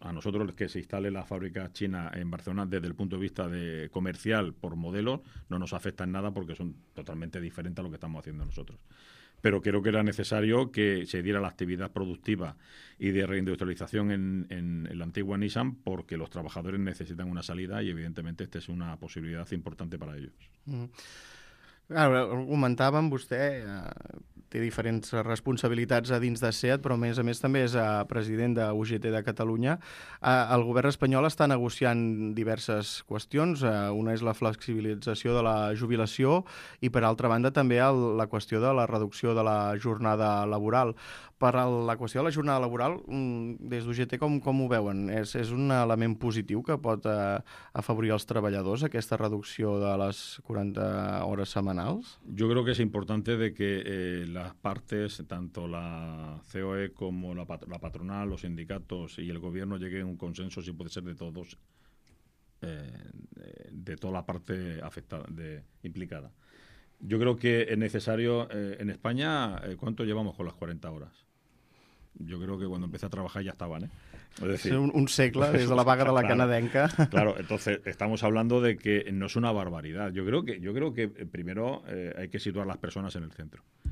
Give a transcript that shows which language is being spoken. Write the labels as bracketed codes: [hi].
[es] A nosotros, que se instale la fábrica china en Barcelona, desde el punto de vista de comercial por modelo, no nos afecta en nada porque son totalmente diferentes a lo que estamos haciendo nosotros. Pero creo que era necesario que se diera la actividad productiva y de reindustrialización en la antigua Nissan, porque los trabajadores necesitan una salida y evidentemente esta es una posibilidad importante para ellos. [ca] Ara, comentava amb vostè, té diferents responsabilitats a dins de SEAT, però a més també és president de UGT de Catalunya. El govern espanyol està negociant diverses qüestions. Una és la flexibilització de la jubilació i, per altra banda, també la qüestió de la reducció de la jornada laboral. Per la qüestió de la jornada laboral, des d'UGT, com ho veuen? És un element positiu que pot afavorir els treballadors, aquesta reducció de les 40 hores setmanals? Jo crec que és important que les parts, tant la COE com la patronal, els sindicats i el govern, lleguen a un consens, si pot ser, de tots, de tota la part implicada. [es] Yo creo que es necesario. En España, ¿cuánto llevamos con las 40 horas? Yo creo que cuando empecé a trabajar ya estaban, ¿eh? Es decir, un siglo desde la vaga de la canadenca. Claro, entonces estamos hablando de que no es una barbaridad. Yo creo que primero hay que situar las personas en el centro.